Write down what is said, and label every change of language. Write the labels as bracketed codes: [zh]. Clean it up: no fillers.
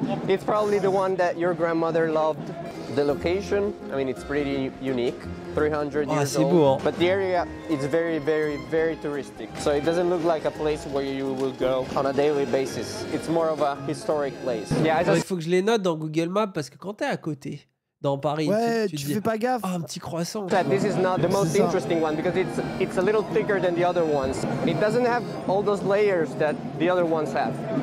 [en] It's probably the one that your grandmother loved. The location, I mean, it's pretty unique. 300 years old. [fr] Beau, hein. [en] But the area is very, very, very touristic. So it doesn't look like a place where you will go on a daily basis. It's more of a historic place. Yeah, just... [fr] Il faut que je les note dans Google Maps parce que quand t'es à côté. Dans Paris, ouais, tu dis, fais pas gaffe. Oh, un petit croissant. [en] This is not the most interesting one because it's a little thicker than the other ones. It doesn't have all those layers that the other ones have.